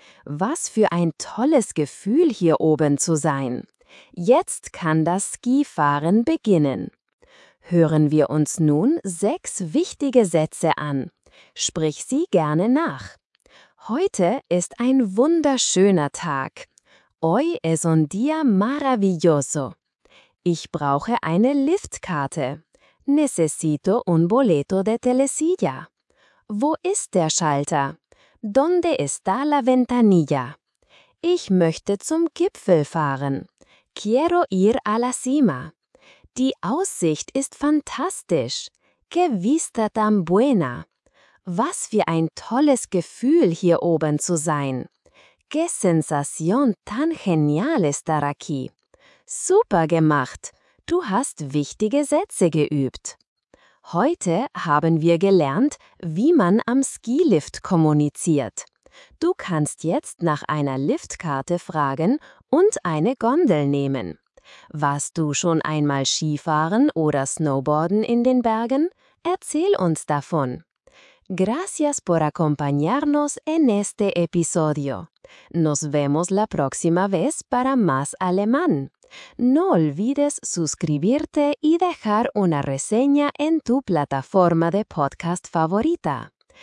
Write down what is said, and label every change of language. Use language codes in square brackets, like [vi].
[de] Was für ein tolles Gefühl, hier oben zu sein! Jetzt kann das Skifahren beginnen. Hören wir uns nun 6 wichtige Sätze an. Sprich sie gerne nach. Heute ist ein wunderschöner Tag. [es] Hoy es un día maravilloso. [de] Ich brauche eine Liftkarte. [es] Necesito un boleto de telesilla. [de] Wo ist der Schalter? [es] ¿Dónde está la ventanilla? [de] Ich möchte zum Gipfel fahren. [es] Quiero ir a la cima. [de] Die Aussicht ist fantastisch. [es] Qué vista tan buena. [de] Was für ein tolles Gefühl, hier oben zu sein. [es] Qué sensación tan genial estar aquí. [de] Super gemacht. Du hast wichtige Sätze geübt. Heute haben wir gelernt, wie man am Skilift kommuniziert. Du kannst jetzt nach einer Liftkarte fragen und eine Gondel nehmen. Warst du schon einmal Skifahren oder Snowboarden in den Bergen? Erzähl uns davon. [es] Gracias por acompañarnos en este episodio. Nos vemos la próxima vez para más alemán. No olvides suscribirte y dejar una reseña en tu plataforma de podcast favorita.